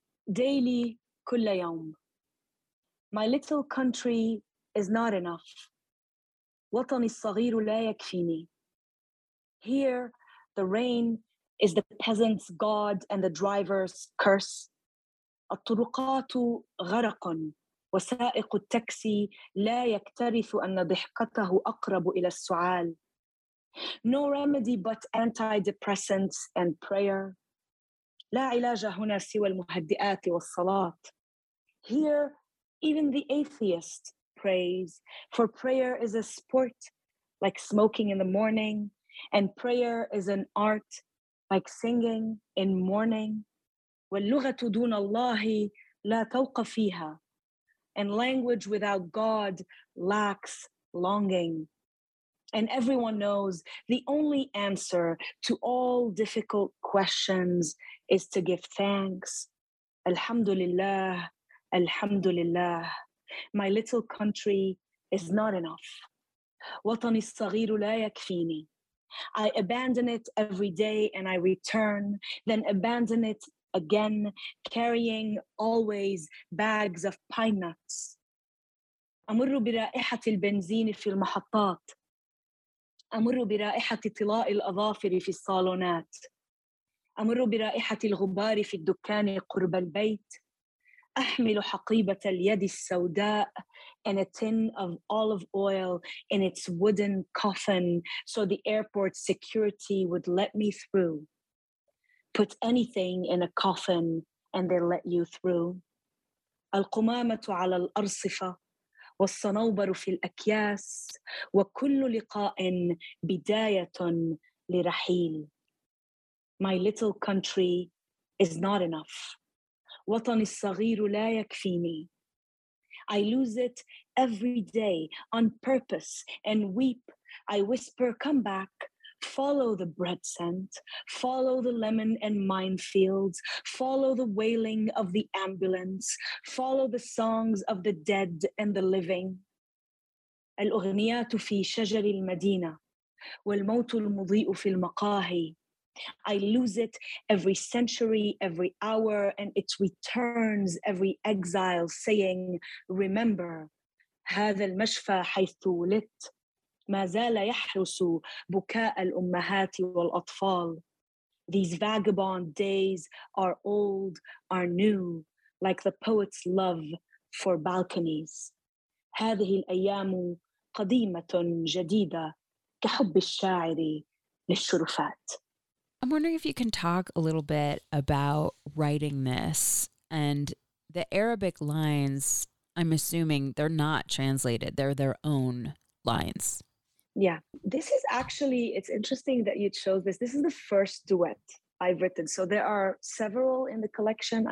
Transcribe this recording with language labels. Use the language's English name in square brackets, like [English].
[English] Daily, [Arabic] kulla yawm. [English] My little country is not enough. [Arabic] Watani ssaghiru la yakfini. [English] Here, the rain is the peasant's god and the driver's curse. [Arabic] الطرقاتُ غرقٌ وسائق التاكسي لا يكترث أن ضحكته أقرب إلى السعال. [English] No remedy but antidepressants and prayer. [Arabic] لا علاج هنا سوى المهدئات والصلاة. [English] Here, even the atheist prays, for prayer is a sport, like smoking in the morning, and prayer is an art, like singing in mourning. [Arabic] واللغة دون الله لا توقى فيها. [English] And language without God lacks longing. And everyone knows the only answer to all difficult questions is to give thanks. [Arabic] Alhamdulillah, alhamdulillah. [English] My little country is not enough. [Arabic] وطني الصغير لا يكفيني. [English] I abandon it every day and I return, then abandon it again, carrying always bags of pine nuts. [Arabic] أمر برائحة البنزين في المحطات. أمر برائحة طلاء الأظافر في الصالونات. أمر برائحة الغبار في الدكان قرب البيت. أحمل حقيبة اليد السوداء [English] and a tin of olive oil in its wooden coffin so the airport security would let me through. Put anything in a coffin and they let you through. [Arabic] القمامة على الأرصفة والصنوبر في الأكياس وكل لقاء بداية لرحيل. [English] My little country is not enough. [Arabic] وطني الصغير لا يكفيني. [English] I lose it every day on purpose and weep. I whisper, come back, follow the bread scent, follow the lemon and minefields, follow the wailing of the ambulance, follow the songs of the dead and the living. [Arabic] الأغنيات في شجر المدينة والموت المضيء في المقاهي. [English] I lose it every century, every hour, and it returns every exile, saying, remember, [Arabic] هذا المشفى حيث ولدت ما زال يحرس بكاء الأمهات والأطفال. [English] These vagabond days are old, are new, like the poet's love for balconies. [Arabic] هذه الأيام قديمة جديدة كحب الشاعر للشرفات. [English] I'm wondering if you can talk a little bit about writing this and the Arabic lines. I'm assuming they're not translated. They're their own lines. Yeah, this is actually, it's interesting that you chose this. This is the first duet I've written. So there are several in the collection.